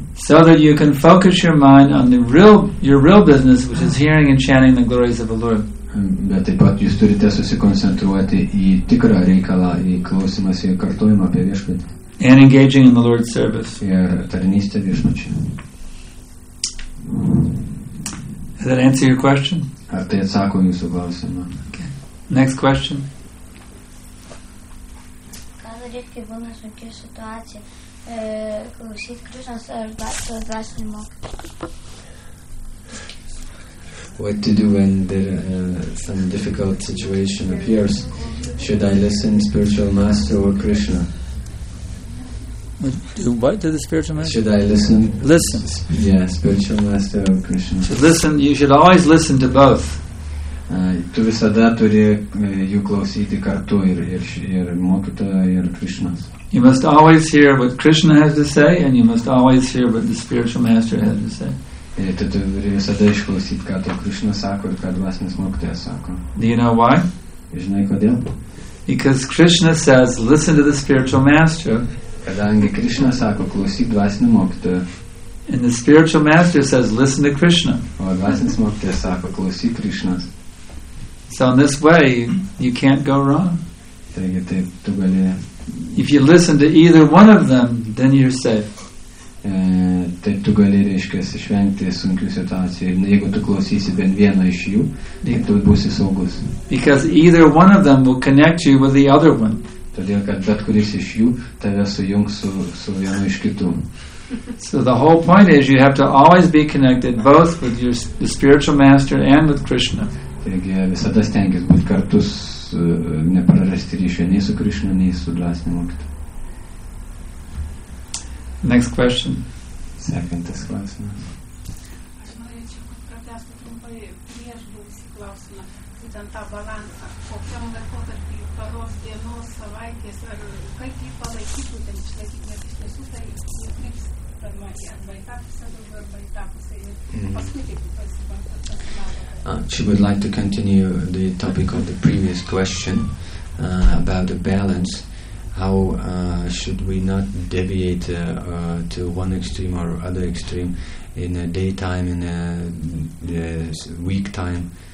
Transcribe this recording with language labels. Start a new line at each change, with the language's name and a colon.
English: So that you can focus your mind on your real business, which is hearing and chanting the glories of the Lord.
Lithuanian: Bet taip pat jūs turite susikoncentruoti į tikrą reikalą, į klausimąsi ir kartojimą apie Viešpatį.
English: And engaging in the Lord's service.
Lithuanian: Ir tarnystę Viešpačiui.
English: Does that answer your question?
Lithuanian: Ar tai atsako jūsų klausimą?
English: Okay. Next question.
Lithuanian: Ką daryti, kai būna sunki situacija? Klausyti Krišnos ar savo dvasinį mokymą?
English: What to do when there some difficult situation appears? Should I listen to spiritual master or Krishna? What to the spiritual master? Should I listen? Listen. Yeah, spiritual master or Krishna. So listen, you should always listen to both.
Lithuanian: Tu visada turi jų klausyti kartu ir mokytojo ir Krishnas.
English: You must always hear what Krishna has to say and you must always hear what the spiritual master has to say.
Lithuanian: Tu turi visada išklausyti, ką to Krišna sako ir ką dvasinis mokytojas sako.
English: Do you know why?
Lithuanian: Žinai kodėl?
English: Because Krishna says, listen to the spiritual master.
Lithuanian: Kadangi Krishna sako, klausyk dvasinį mokytoją.
English: And the spiritual master says, listen to Krishna.
Lithuanian: O dvasinis mokytojas sako, klausyk Krishnas.
English: So in this way, you can't go wrong.
Lithuanian: Taigi, taip, tu gali...
English: If you listen to either one of them, then you're safe.
Lithuanian: Taip tu gali, reiškias, išvengti sunkių situacijų. Ir jeigu tu klausysi bent vieną iš jų, taip tu būsi saugus.
English: Because either one of them will connect you with the other one.
Lithuanian: Todėl, kad bet kuris iš jų tave sujungs su, su vienu iš kitų.
English: So the whole point is you have to always be connected both with your, the spiritual master and with Krishna.
Lithuanian: Taigi visada stengis būti kartu su, neprarasti ryšio nei su Krishna, nei su dvasiniu mokytoju.
English: Next question.
Lithuanian: Sekantis klausimas. Aš norėčiau, kad pratęstų trumpai prieš buvusį klausimą, būtent tą balansą, kokiam laikotarpį paros dienos, savaitės, ar kaip jį palaikyti, būtent išlaikyti, nes iš tiesų tai nukryps, arba į tą pusę daugiau, arba į tą pusę. Paskui taip pasibankas.
English: She would like to continue the topic of the previous question about the balance. How should we not deviate to one extreme or other extreme in the daytime, in the week time?